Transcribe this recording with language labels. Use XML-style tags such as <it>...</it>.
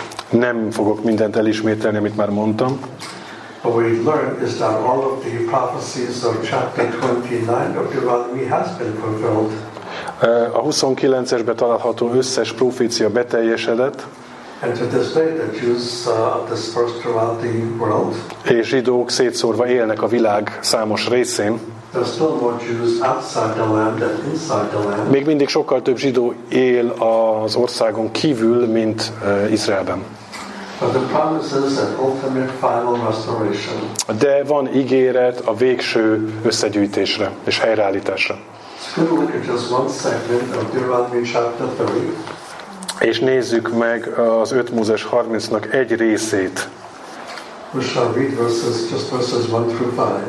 <hu>Nem fogok mindent elismételni, amit már mondtam.</hu> <en>What we learn is that all of the prophecies of chapter 29 of Deuteronomy has been fulfilled.</en> <hu>A 29-esben található összes profécia beteljesedett.</hu> <en>And to display the Jews dispersed throughout the world.</en> <hu>És zsidók szétszórva élnek a világ számos részén.</hu> <en>There's still more Jews outside the land than inside the land.</en> <hu>Még mindig sokkal több zsidó él az országon kívül, mint Izraelben.</hu> <en>But the promise is an ultimate final restoration.</en> <hu>De van ígéret a végső összegyűjtésre és helyreállításra.</hu> <en>Can we look at just one segment of Deuteronomy chapter 3?</en> <hu>És nézzük meg az 5 Mózes 30-nak egy részét.</hu> <en>We shall read verses, just verses 1 through 5.</en>